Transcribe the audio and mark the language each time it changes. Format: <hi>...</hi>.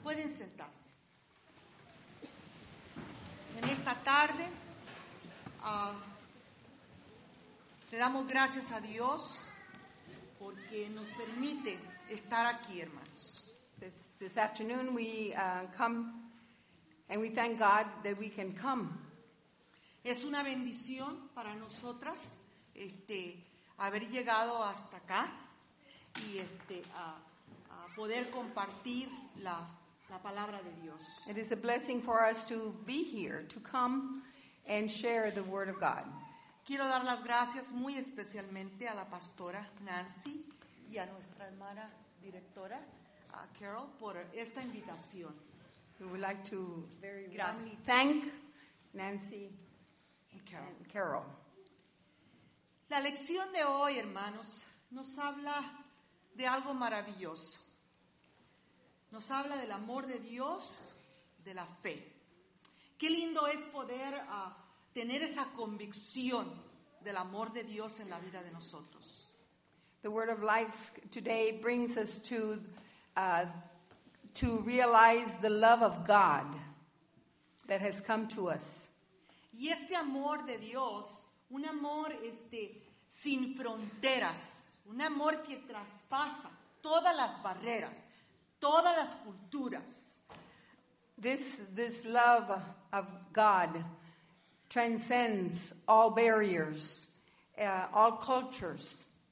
<es>Pueden sentarse. En esta tarde, le damos gracias a Dios porque nos permite estar aquí, hermanos.</es> <en>This afternoon we come And we thank God that we can come.</en> <es>Es una bendición para nosotras haber llegado hasta acá y a poder compartir la palabra de Dios.</es> <en>It is a blessing for us to be here, to come and share the word of God.</en> <es>Quiero dar las gracias muy especialmente a la pastora Nancy y a nuestra hermana directora Carol por esta invitación.</es> <en>We would like to very warmly thank Nancy and Carol.</en> <es>La lección de hoy, hermanos, nos habla de algo maravilloso. Nos habla del amor de Dios, de la fe. Qué lindo es poder tener esa convicción del amor de Dios en la vida de nosotros.</es> <en>The word of life today brings us to realize the love of God that has come to us.</en> <es>Y este amor de Dios, un amor sin fronteras, un amor que traspasa todas las barreras, todas las culturas.</es> <en>This love of God transcends all barriers, all cultures.</en>